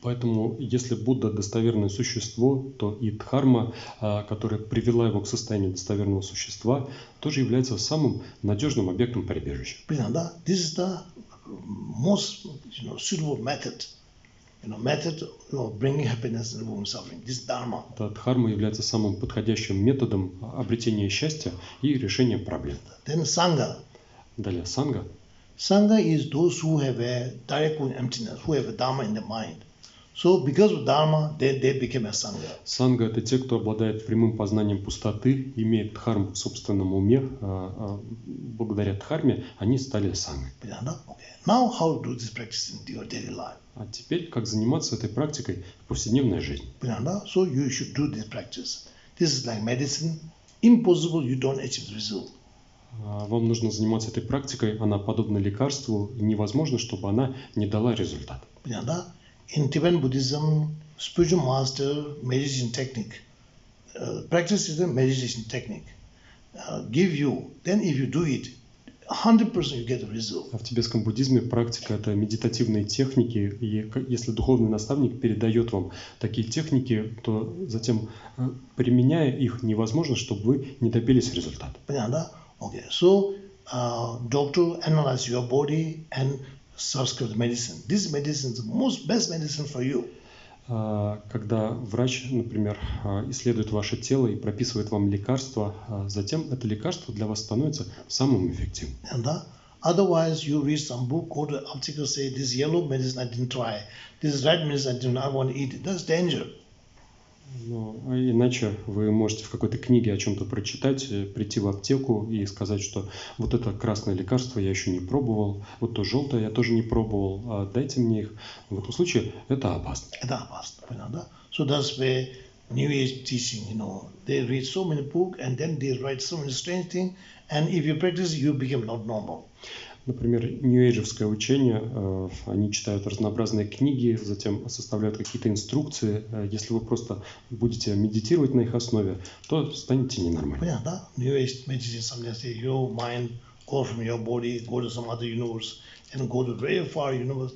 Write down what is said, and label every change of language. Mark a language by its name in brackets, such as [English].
[Russian] Поэтому, если Будда достоверное существо, то и дхарма, которая привела его к состоянию достоверного существа, тоже является самым надежным объектом прибежища. Понятно, да? [English] This is the most, you know, suitable method. You know, method of bringing happiness and removing suffering. This dharma. [Russian] Эта дхарма является самым подходящим методом обретения счастья и решения проблем. [English] Then sangha. [Russian] Далее санга. [English] Sangha is those who have a direct emptiness, who have a dharma in their mind. So because of dharma, they became a sangha. [Russian] Санга — это те, кто обладает прямым познанием пустоты, имеет дхарму в собственном уме, благодаря дхарме они стали сангой. Понятно? Okay. [English] Now how to do this practice in your daily life? [Russian] А теперь как заниматься этой практикой в повседневной жизни? Понятно? [English] So you should do this practice. This is like medicine. Impossible, you don't achieve the result. [Russian] Вам нужно заниматься этой практикой, она подобна лекарству, и невозможно, чтобы она не дала результат. Понятно, да? [English] In Tibetan Buddhism, spiritual master meditation technique, practice is a meditation technique, give you, then if you do it, 100% you get the result. [Russian] А в тибетском буддизме практика – это медитативные техники, и если духовный наставник передает вам такие техники, то затем, применяя их, невозможно, чтобы вы не добились результата. Понятно, да? [English] Okay, so doctor analyze your body and subscribe the medicine. This medicine is the most best medicine for you. [Russian] Когда врач, например, исследует ваше тело и прописывает вам лекарство, затем это лекарство для вас становится самым эффективным. [English] And, otherwise, you read some book, go to the article, say this yellow medicine I didn't try, this red medicine I didn't, I want to eat it. That's danger. [Russian] Ну, иначе вы можете в какой-то книге о чем-то прочитать, прийти в аптеку и сказать, что вот это красное лекарство я еще не пробовал, вот то желтое я тоже не пробовал, а дайте мне их. В этом случае это опасно. Это опасно, понятно, да? [English] So that's where New Age teaching, you know, they read so many books and then they write so many strange things, and if you practice, you become not normal. [Russian] Например, нью-эйджевское учение, они читают разнообразные книги, затем составляют какие-то инструкции. Если вы просто будете медитировать на их основе, то станете ненормальным. Понятно, да? Нью-эйдж медитация, [English] sometimes say your mind go from your body, go to some other universe, and go to very far universe.